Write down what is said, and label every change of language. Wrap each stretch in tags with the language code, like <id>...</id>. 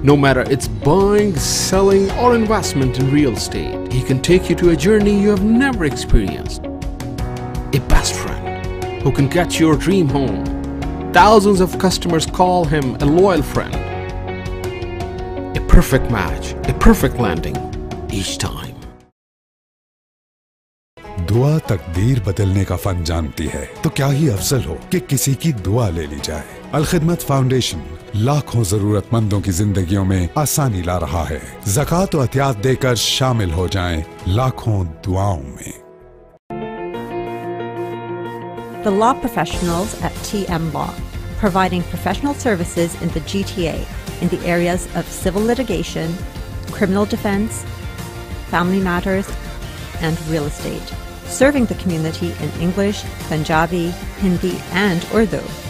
<en>No matter it's buying, selling, or investment in real estate, he can take you to a journey you have never experienced. A best friend who can get your dream home. Thousands of customers call him a loyal friend. A perfect match, a perfect landing.</en> <hi>दुआ तकदीर बदलने का fun जानती है, तो क्या ही अफजल हो कि किसी की दुआ ले ली जाए। अलखिदमत फाउंडेशन लाखों जरूरतमंदों की जिंदगियों में आसानी ला रहा है। ज़कात और अतियात देकर शामिल हो जाएं लाखों दुआओं में।</hi> <en>The law professionals at TM Law, providing professional services in the GTA in the areas of civil litigation, criminal defense, family matters, and real estate. Serving the community in English, Punjabi, Hindi, and Urdu.</en>